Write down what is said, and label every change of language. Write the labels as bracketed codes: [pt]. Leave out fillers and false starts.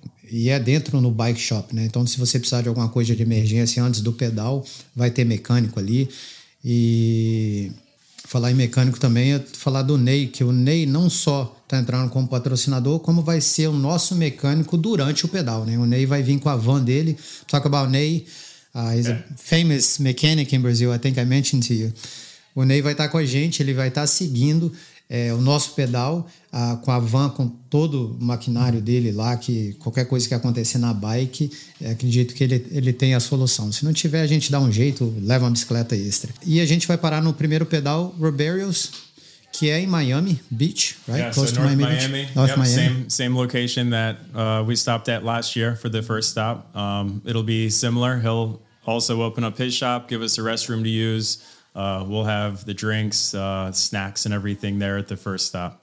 [pt] E é dentro no bike shop, né? Então, se você precisar de alguma coisa de emergência antes do pedal, vai ter mecânico ali. E... falar em mecânico também é falar do Ney, que o Ney não só está entrando como patrocinador, como vai ser o nosso mecânico durante o pedal, né? O Ney vai vir com a van dele. [en] Talk about Ney, he's a famous mechanic in Brazil, I think I mentioned to you. [pt] O Ney vai estar com a gente, ele vai estar seguindo o nosso pedal com a van, com todo o maquinário dele lá, que qualquer coisa que acontecer na bike, acredito que ele tem a solução. Se não tiver, a gente dá um jeito, leva uma bicicleta extra. E a gente vai parar no primeiro pedal, Ruberio's, que é em Miami Beach, right? [en] Yeah, close so to North Miami, Miami Beach. North Miami. Same location that we stopped at last year for the first stop. It'll be similar. He'll also open up his shop, give us a restroom to use. We'll have the drinks, snacks and everything there at the first stop.